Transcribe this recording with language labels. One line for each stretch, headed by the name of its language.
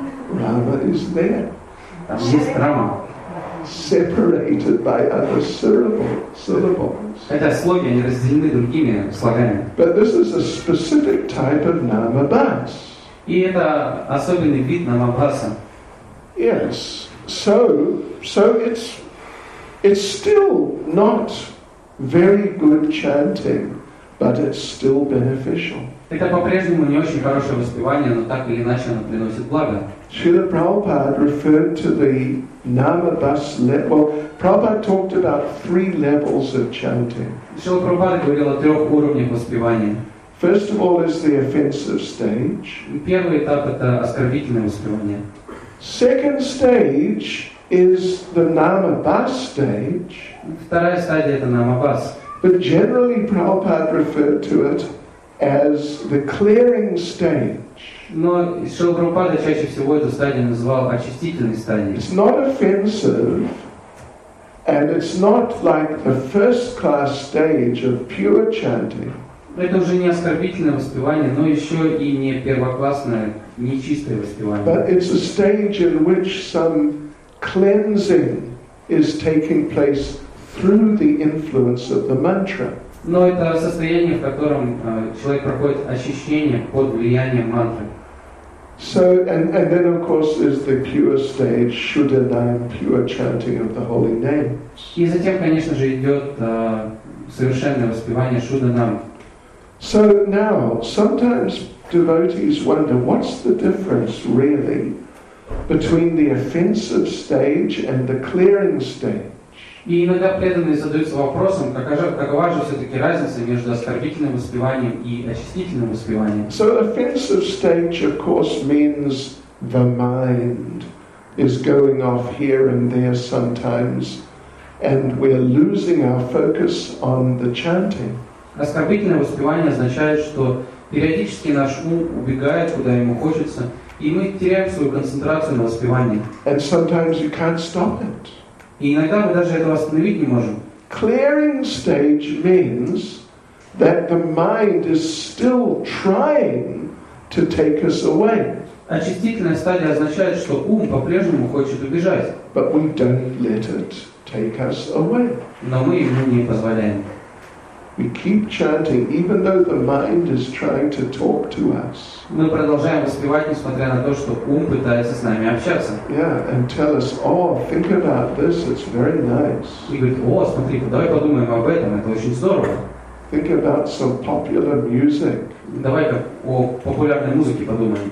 English: Rama is there. Rama. Separated by other syllables.
Russian: Это слоги, они разделены другими слогами.
English: But this is a specific type of Namabhas.
Russian: И это особенный вид Намабхаса.
English: Yes. So it's still not very good chanting, but it's still beneficial.
Russian: Это по-прежнему не очень хорошее воспевание, но так или иначе оно приносит благо.
English: Srila Prabhupada referred to the Namabhas level. Well, Prabhupada talked about three levels of chanting.
Russian: Srila Prabhupada говорил о трех уровнях воспевания.
English: First of all is the offensive stage.
Russian: Первый этап – это оскорбительное воспевание.
English: Second stage is the Namabhas stage.
Russian: Вторая стадия – это Намабхас.
English: But generally Prabhupada referred to it as the clearing stage.
Russian: Но Шрила Прабхупада чаще всего эту стадию называл очистительной стадией.
English: It's not offensive, and it's not like the first class stage of pure chanting.
Russian: Это уже не оскорбительное воспевание, но еще и не первоклассное, не чистое воспевание.
English: But it's a stage in which some cleansing is taking place through the influence of the mantra.
Russian: Но это состояние, в котором человек проходит очищение под влиянием мантры.
English: So and then of course is the pure stage, Shuddhanam, pure chanting of the holy names.
Russian: И затем, конечно же, идет совершенное воспевание Шуддханам.
English: So now sometimes devotees wonder what's the difference really between the offensive stage and the clearing stage.
Russian: И иногда преданные задаются вопросом, какова же все-таки разница между оскорбительным воспеванием и очистительным воспеванием.
English: So offensive stage, of course, means the mind, is going off here and there sometimes, and we are losing our focus on the chanting.
Russian: Оскорбительное воспевание означает, что периодически наш ум убегает, куда ему хочется, и мы теряем свою концентрацию на воспевании.
English: And sometimes you can't stop it.
Russian: И иногда мы даже этого остановить не можем.
English: Clearing stage means that the mind is still trying to take us away.
Russian: Очистительная стадия означает, что ум по-прежнему хочет убежать.
English: But we don't let it take us away.
Russian: Но мы ему не позволяем.
English: We keep chanting, even though the mind is trying to talk to us.
Russian: Мы продолжаем воспевать, несмотря на то, что ум пытается с нами общаться.
English: Yeah, and tell us, oh, think about this, it's very nice.
Russian: И говорит, о, смотри, давай подумаем об этом, это очень здорово.
English: Think about some popular music.
Russian: Давай-ка о популярной музыке подумаем.